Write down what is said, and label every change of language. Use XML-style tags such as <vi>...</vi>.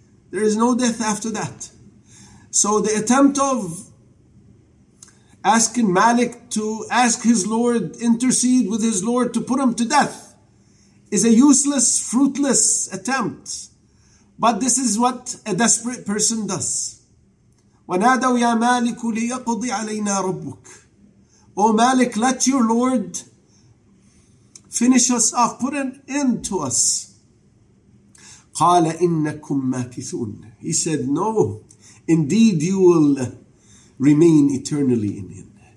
<en>There is no death after that." So the attempt of asking Malik to ask his Lord, intercede with his Lord to put him to death, is a useless, fruitless attempt. But this is what a desperate person does.</en> <ar>ونادوا يا مالك ليقضي علينا ربك.</ar> <en>Oh Malik, let your Lord finish us off, put an end to us.</en> <ar>قال إنكم ماكثون.</ar> <en>He said, no, indeed you will remain eternally in him.</en>